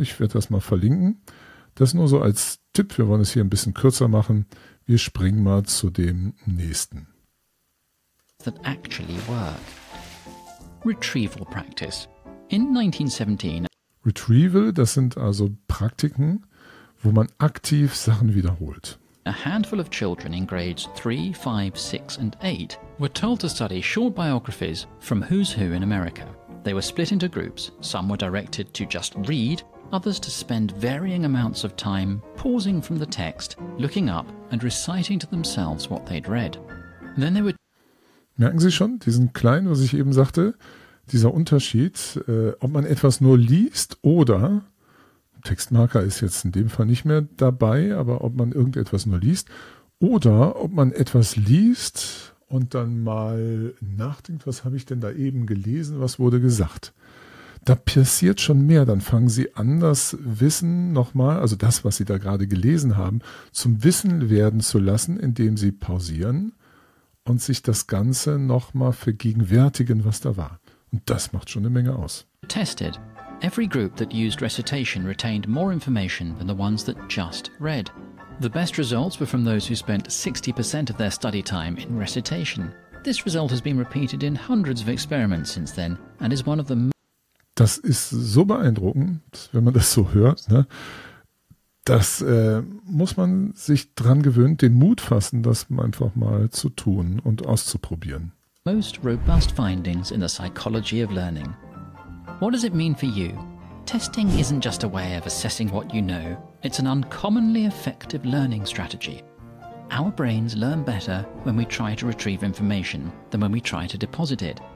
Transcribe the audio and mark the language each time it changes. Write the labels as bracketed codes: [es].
[de] Ich werde das mal verlinken. Das nur so als Tipp, wir wollen es hier ein bisschen kürzer machen. Wir springen mal zu dem nächsten. [en] That actually work. Retrieval practice. In 1917. [de] Retrieval, das sind also Praktiken, wo man aktiv Sachen wiederholt. [en] A handful of children in grades 3, 5, 6 and 8 were told to study short biographies from Who's Who in America. They were split into groups. Some were directed to just read, others to spend varying amounts of time pausing from the text, looking up and reciting to themselves what they'd read. Then they were... [de] Merken Sie schon diesen kleinen, was ich eben sagte, dieser Unterschied, ob man etwas nur liest oder... Textmarker ist jetzt in dem Fall nicht mehr dabei, aber ob man irgendetwas nur liest oder ob man etwas liest und dann mal nachdenkt, was habe ich denn da eben gelesen, was wurde gesagt. Da passiert schon mehr, dann fangen Sie an, das Wissen nochmal, also das, was Sie da gerade gelesen haben, zum Wissen werden zu lassen, indem Sie pausieren und sich das Ganze nochmal vergegenwärtigen, was da war. Und das macht schon eine Menge aus. [en] Tested. Every group that used recitation retained more information than the ones that just read. The best results were from those who spent 60% of their study time in recitation. This result has been repeated in hundreds of experiments since then and is one of the... [de] Das ist so beeindruckend, wenn man das so hört, ne? Das muss man sich dran gewöhnen, den Mut fassen, das einfach mal zu tun und auszuprobieren. [en] Most robust findings in the psychology of learning. What does it mean for you? Testing isn't just a way of assessing what you know. It's an uncommonly effective learning strategy. Our brains learn better when we try to retrieve information than when we try to deposit it.